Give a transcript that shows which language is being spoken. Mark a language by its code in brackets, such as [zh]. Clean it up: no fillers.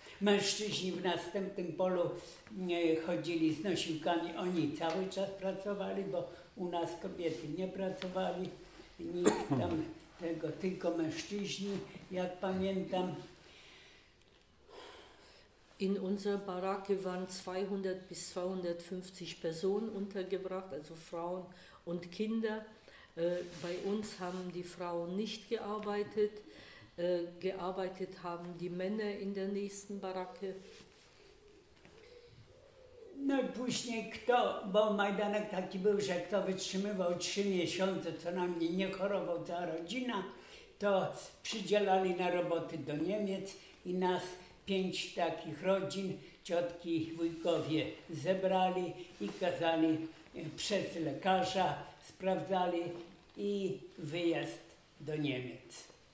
[pl] Mężczyźni w następnym polu chodzili z nosiłkami. Oni cały czas pracowali, bo u nas kobiety nie pracowali. Nikt tam tego, tylko mężczyźni, jak pamiętam. [de] In unserer Baracke waren 200 bis 250 Personen untergebracht, also Frauen und Kinder. Bei uns haben die Frauen nicht gearbeitet. Gearbeitet haben die Männer in der nächsten Baracke. [pl] No i później kto, bo Majdanek taki był, że kto wytrzymywał 3 miesiące, co na mnie nie chorował cała rodzina, to przydzielali na roboty do Niemiec i nas 5 takich rodzin, ciotki, wujkowie zebrali i kazali przez lekarza, sprawdzali i wyjazd do Niemiec.